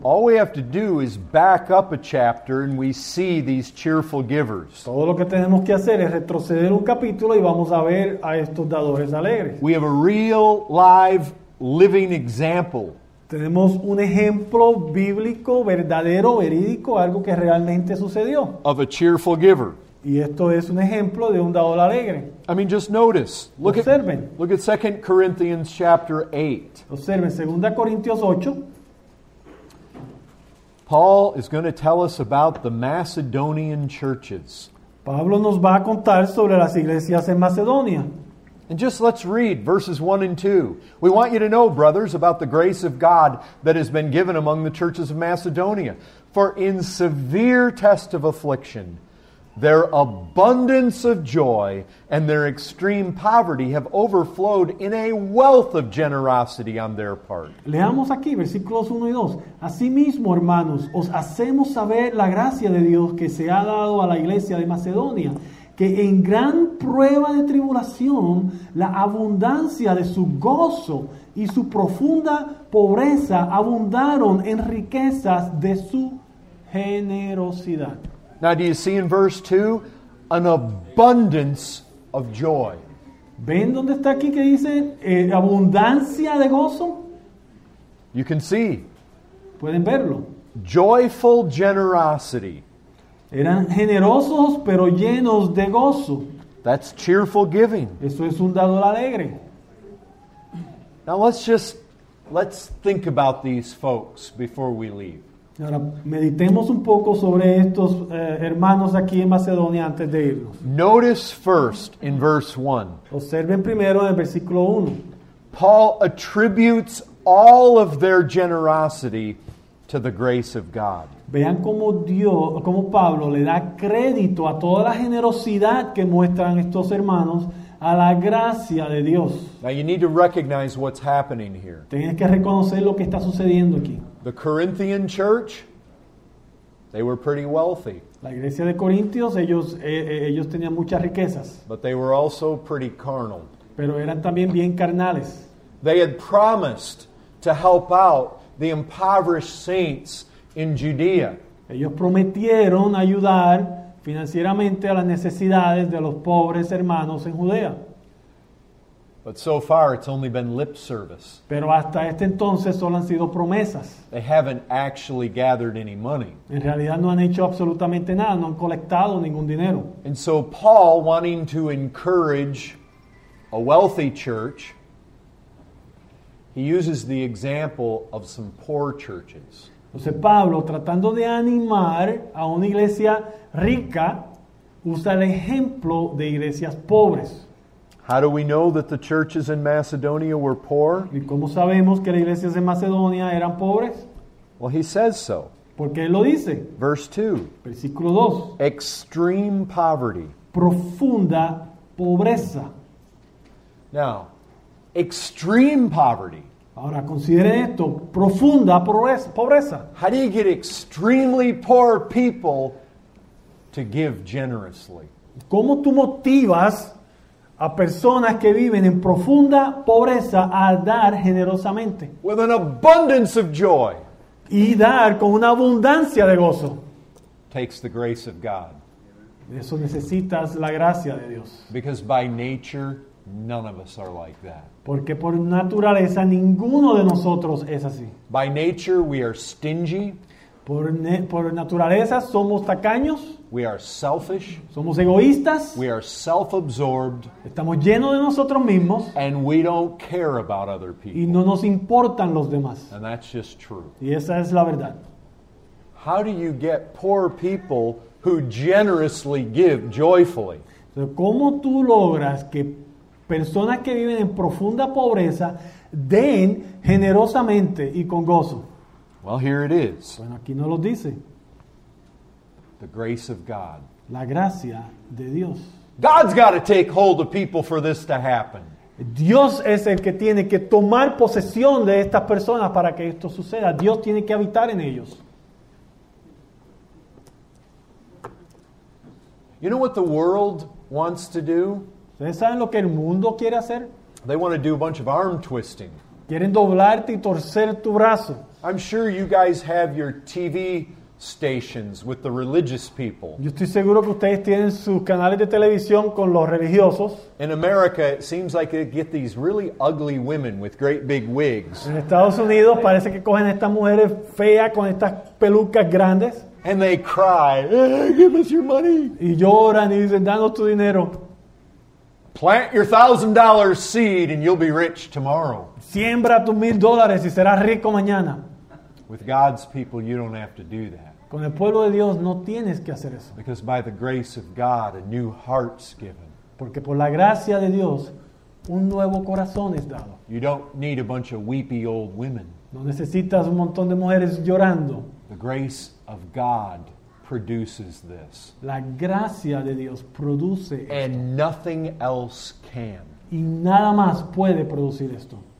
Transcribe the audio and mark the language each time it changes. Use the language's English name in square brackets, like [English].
[English] All we have to do is back up a chapter and we see these cheerful givers. [Spanish] Todo lo que tenemos que hacer es retroceder un capítulo y vamos a ver a estos dadores alegres. [English] We have a real, live, living example. [Spanish] Tenemos un ejemplo bíblico, verdadero, verídico, algo que realmente sucedió. [English] Of a cheerful giver. [Spanish] Y esto es un ejemplo de un dador alegre. [English] I mean, just notice. [Spanish] Observen. [English] Look at 2 Corinthians chapter 8. [Spanish] Observen, 2 Corintios 8. [English] Paul is going to tell us about the Macedonian churches. [Spanish] Pablo nos va a contar sobre las iglesias en Macedonia. [English] And just let's read verses 1 and 2. We want you to know, brothers, about the grace of God that has been given among the churches of Macedonia. For in severe test of affliction, their abundance of joy and their extreme poverty have overflowed in a wealth of generosity on their part. [Spanish] Leamos aquí versículos 1 y 2. Asimismo, hermanos, os hacemos saber la gracia de Dios que se ha dado a la iglesia de Macedonia, que en gran prueba de tribulación, la abundancia de su gozo y su profunda pobreza abundaron en riquezas de su generosidad. [English] Now, do you see in verse 2 an abundance of joy? [Spanish] ¿Ven dónde está aquí que dice abundancia de gozo? [English] You can see. [Spanish] Pueden verlo. [English] Joyful generosity. [Spanish] Eran generosos, pero llenos de gozo. [English] That's cheerful giving. [Spanish] Eso es un dador alegre. [English] Now let's think about these folks before we leave. [Spanish] Ahora, meditemos un poco sobre estos hermanos aquí en Macedonia antes de irnos. [English] Notice first in verse 1. [Spanish] Observen primero en el versículo 1. [English] Paul attributes all of their generosity to the grace of God. [Spanish] Vean cómo Dios, cómo Pablo le da crédito a toda la generosidad que muestran estos hermanos a la gracia de Dios. [English] Now you need to recognize what's happening here. [Spanish] Tienes que reconocer lo que está sucediendo aquí. [English] The Corinthian church, they were pretty wealthy. [Spanish] La iglesia de Corintios, ellos tenían muchas riquezas. [English] But they were also pretty carnal. [Spanish] Pero eran también bien carnales. [English] They had promised to help out the impoverished saints in Judea. [Spanish] Ellos prometieron ayudar financieramente a las necesidades de los pobres hermanos en Judea. [English] But so far, it's only been lip service. [Spanish] Pero hasta este entonces solo han sido promesas. [English] They haven't actually gathered any money. [Spanish] En realidad no han hecho absolutamente nada, no han colectado ningún dinero. [English] And so Paul, wanting to encourage a wealthy church, he uses the example of some poor churches. [Spanish] Entonces Pablo, tratando de animar a una iglesia rica, usa el ejemplo de iglesias pobres. [English] How do we know that the churches in Macedonia were poor? [Spanish] ¿Y cómo sabemos que las iglesias de Macedonia eran pobres? [English] Well, he says so. [Spanish] Porque él lo dice. [English] Verse 2. [Spanish] Versículo 2. [English] Extreme poverty. [Spanish] Profunda pobreza. [English] Now, extreme poverty. [Spanish] Ahora consideren esto, profunda pobreza. [English] How do you get extremely poor people to give generously? [Spanish] ¿Cómo tú motivas a personas que viven en profunda pobreza a dar generosamente? [English] With an abundance of joy. [Spanish] Y dar con una abundancia de gozo. [English] Takes the grace of God. [Spanish] Eso necesitas la gracia de Dios. [English] Because by nature, none of us are like that. [Spanish] Porque por naturaleza ninguno de nosotros es así. [English] By nature we are stingy. [Spanish] Por naturaleza somos tacaños. [English] We are selfish. [Spanish] Somos egoístas. [English] We are self-absorbed. [Spanish] Estamos llenos de nosotros mismos. [English] And we don't care about other people. [Spanish] Y no nos importan los demás. [English] And that's just true. [Spanish] Y esa es la verdad. [English] How do you get poor people who generously give joyfully? [Spanish] ¿Cómo tú logras que personas que viven en profunda pobreza den generosamente y con gozo? [English] Well, here it is. [Spanish] Bueno, aquí nos lo dice. [English] The grace of God. [Spanish] La gracia de Dios. [English] God's got to take hold of people for this to happen. [Spanish] Dios es el que tiene que tomar posesión de estas personas para que esto suceda. Dios tiene que habitar en ellos. [English] You know what the world wants to do? [Spanish] ¿Ustedes saben lo que el mundo quiere hacer? [English] They want to do a bunch of arm twisting. [Spanish] Quieren doblarte y torcer tu brazo. [English] I'm sure you guys have your TV stations with the religious people. [Spanish] Yo estoy seguro que ustedes tienen sus canales de televisión con los religiosos. [English] In America, it seems like they get these really ugly women with great big wigs. [Spanish] En Estados Unidos parece que cogen estas mujeres feas con estas pelucas grandes. [English] And they cry, give us your money. [Spanish] Y lloran y dicen, danos tu dinero. [English] Plant your $1,000 seed and you'll be rich tomorrow. [Spanish] Siembra tus $1,000 y serás rico mañana. [English] With God's people, you don't have to do that. [Spanish] Con el pueblo de Dios no tienes que hacer eso. [English] Because by the grace of God, a new heart's given. [Spanish] Porque por la gracia de Dios, un nuevo corazón es dado. [English] You don't need a bunch of weepy old women. [Spanish] No necesitas un montón de mujeres llorando. [English] The grace of God produces this. [Spanish] La gracia de Dios produce esto. [English] And nothing else can. [Spanish] Y nada más puede producir esto.